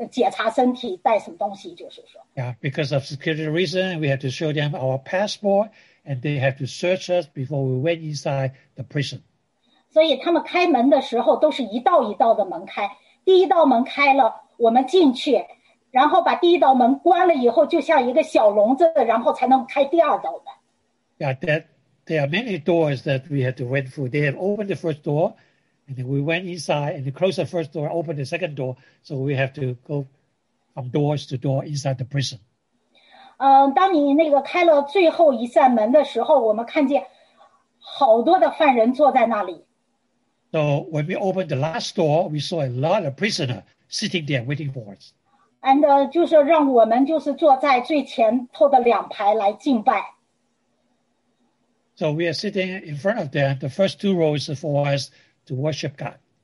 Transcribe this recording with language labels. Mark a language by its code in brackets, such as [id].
[zh] 所以我们进去的时候都要护照，然后还要每一个人都要查身检查身体带什么东西，就是说。Yeah, [en] because of security reason, we had to show them our passport, and they have to search us before we went inside the prison. [zh] 所以他们开门的时候都是一道一道的门开，第一道门开了，我们进去，然后把第一道门关了以后，就像一个小笼子，然后才能开第二道门。Yeah, [en] that. There are many doors that we had to wait for. They have opened the first door, and then we went inside, and they closed the first door, opened the second door, so we have to go from doors to door inside the prison. [zh] 当你那个开了最后一扇门的时候，我们看见好多的犯人坐在那里。So [en] when we opened the last door, we saw a lot of prisoners sitting there waiting for us. [zh] And 就是让我们就是坐在最前头的两排来敬拜。 [en] So we are sitting in front of them. The first two rows are for us to worship God.